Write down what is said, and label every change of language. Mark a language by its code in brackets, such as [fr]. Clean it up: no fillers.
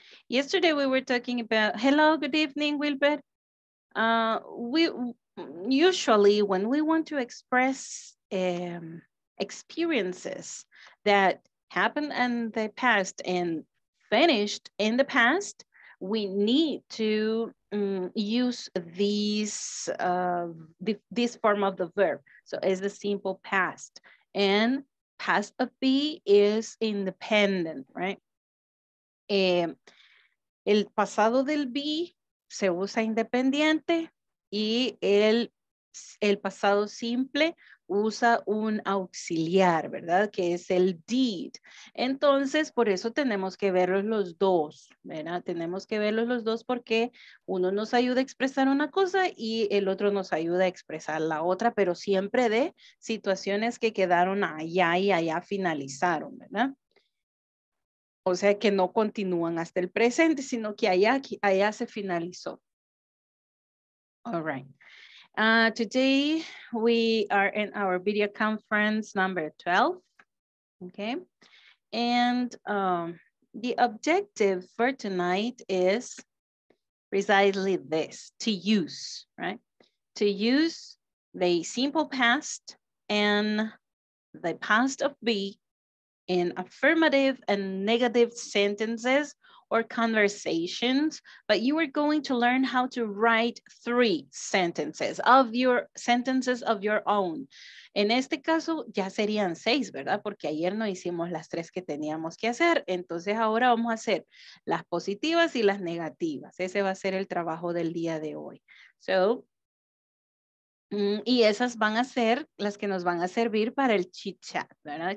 [en] Yesterday we were talking about, hello, good evening, Wilbert. We usually, when we want to express experiences that happened in the past and finished in the past, we need to use this form of the verb. So it's the simple past. And past of be is independent, right? [es] El pasado del be se usa independiente y el pasado simple usa un auxiliar, ¿verdad? Que es el did. Entonces, por eso tenemos que verlos los dos, ¿verdad? Tenemos que verlos los dos porque uno nos ayuda a expresar una cosa y el otro nos ayuda a expresar la otra, pero siempre de situaciones que quedaron allá y allá finalizaron, ¿verdad? O sea, que no continúan hasta el presente, sino que allá se finalizó. [en] All right. Today we are in our video conference number 12, okay? And the objective for tonight is precisely this, to use, right? To use the simple past and the past of be in affirmative and negative sentences or conversations, but you are going to learn how to write three sentences of your own. [es] En este caso, ya serían seis, ¿verdad? Porque ayer no hicimos las tres que teníamos que hacer. Entonces, ahora vamos a hacer las positivas y las negativas. Ese va a ser el trabajo del día de hoy. So, y esas van a ser las que nos van a servir para el chit-chat, ¿verdad?